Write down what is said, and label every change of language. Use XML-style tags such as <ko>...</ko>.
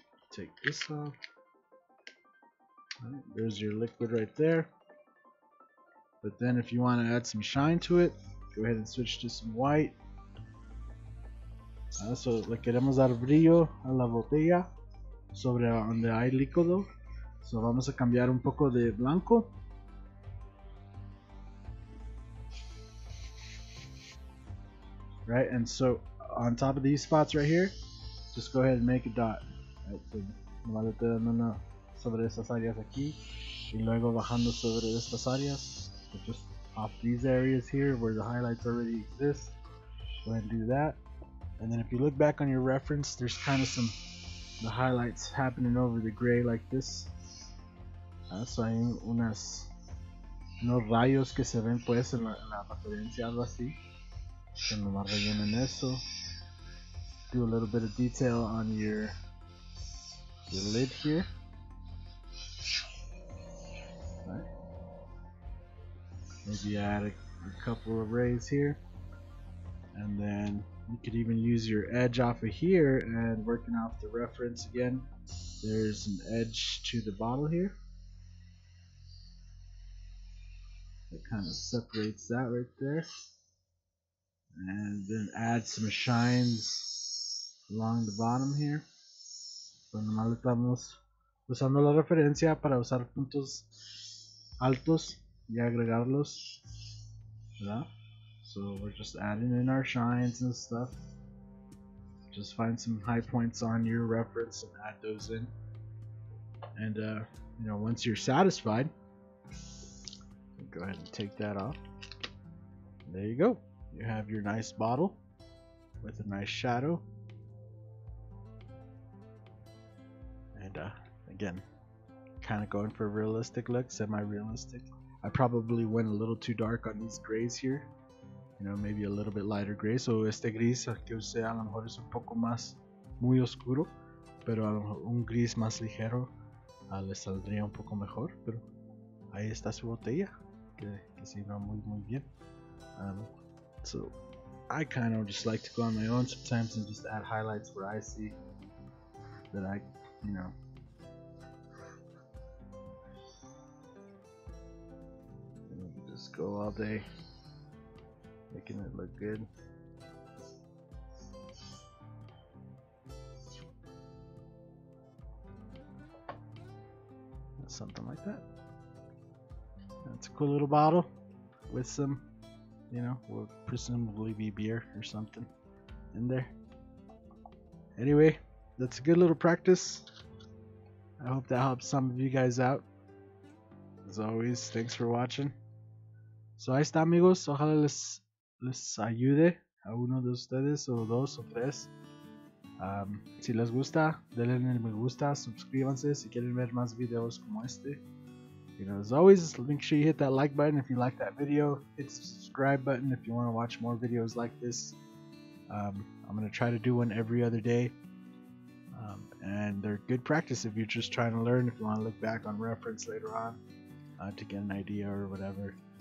<en>Take this off. Right, there's your liquid right there. But then if you want to add some shine to it, go ahead and switch to some white.</en> <es>So le queremos dar brillo a la botella sobre donde hay líquido. So vamos a cambiar un poco de blanco.</es> <en>Right, and so on top of these spots right here, just go ahead and make a dot. Right, so, no.</en> <es>Sobre estas áreas aquí y luego bajando sobre estas áreas,</es> <en>so just off these areas here where the highlights already exist, go ahead and do that. And then if you look back on your reference, there's kind of some the highlights happening over the gray like this.</en> <es>So hay unos rayos que se ven pues en la referencia, algo así. Que nomás rellenen eso.</es> <en>Do a little bit of detail on your lid here. maybe add a couple of rays here, and then you could even use your edge off of here and working off the reference again. There's an edge to the bottle here that kind of separates that right there, and then add some shines along the bottom here.</en> <es>Pues nomás le estamos usando la referencia para usar puntos altos y agregarlos, ¿verdad?</es> <en>So we're just adding in our shines and stuff. Just find some high points on your reference and add those in. And you know, once you're satisfied, go ahead and take that off. There you go. You have your nice bottle with a nice shadow. And again, kind of going for a realistic look, semi-realistic. I probably went a little too dark on these grays here. You know, maybe a little bit lighter gray.</en> <es>So este gris que usé a lo mejor es un poco más muy oscuro, pero a lo mejor un gris más ligero le saldría un poco mejor. Pero ahí está su botella, que se va muy muy bien.</es> <en>So I kind of just like to go on my own sometimes and just add highlights where I see that I, you know. Just go all day, making it look good. Something like that. That's a cool little bottle with some, you know, will presumably be beer or something in there. Anyway, that's a good little practice. I hope that helps some of you guys out. As always, thanks for watching. So</en> <es>ahí está, amigos. Ojalá les ayude a uno de ustedes, o dos o tres. Si les gusta, denle el me gusta, suscríbanse si quieren ver más videos como este.</es> <en>You know, as always, make sure you hit that like button if you like that video. Hit the subscribe button if you want to watch more videos like this. I'm going to try to do one every other day. And they're good practice if you're just trying to learn, if you want to look back on reference later on to get an idea or whatever.</en>